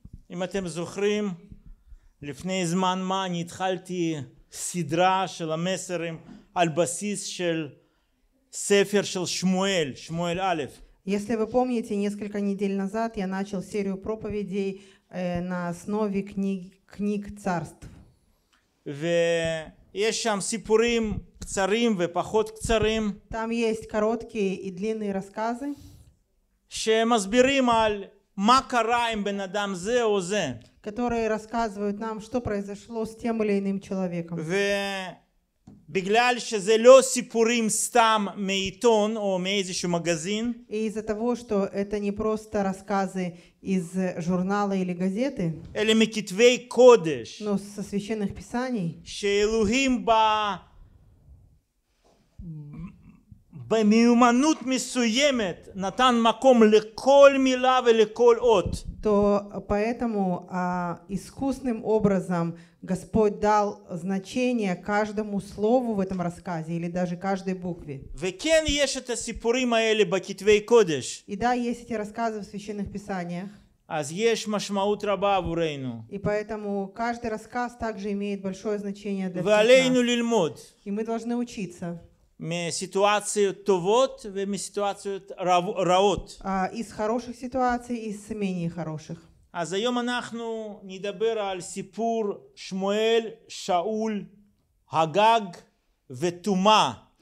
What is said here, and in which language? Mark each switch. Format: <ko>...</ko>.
<he>אם אתם זוכרים, לפני זמן מה אני התחלתי סדרה של המסרים על בסיס של ספר של שמואל, שמואל א'.</he> <ru>Если вы помните, несколько недель назад я начал серию проповедей на основе книг царств. Там есть короткие и длинные рассказы, которые рассказывают нам, что произошло с тем или иным человеком.</ru> <he>בגלל שזה לא סיפורים סתם מעיתון או מאיזשהו מגזין.</he> <ru>И из-за того, что это не просто рассказы из журнала или газеты.</ru> <he>אלא מכתבי קודש.</he> <ru>Но со священных писаний.</ru> <he>שאלוהים במיומנות מסוימת נתן מקום לכל מילה ולכל אות.</he> <ru>То поэтому искусным образом Господь дал значение каждому слову в этом рассказе или даже каждой букве.</ru> <he>וכן יש את הסיפורים האלה בכתבי קודש.</he> <ru>И да, есть эти рассказы в священных писаниях.</ru> <he>אז יש משמעות רבה עבורנו.</he> <ru>И поэтому каждый рассказ также имеет большое значение для всех нас.</ru> <he>ועלינו ללמוד.</he> <ru>И мы должны учиться.</ru> <he>מסיטואציות טובות ומסיטואציות רעות.</he> <ru>Из хороших ситуаций и из менее хороших.</ru> <he>אז היום אנחנו נדבר על סיפור שמואל, שאול, הגג ותומה.</he>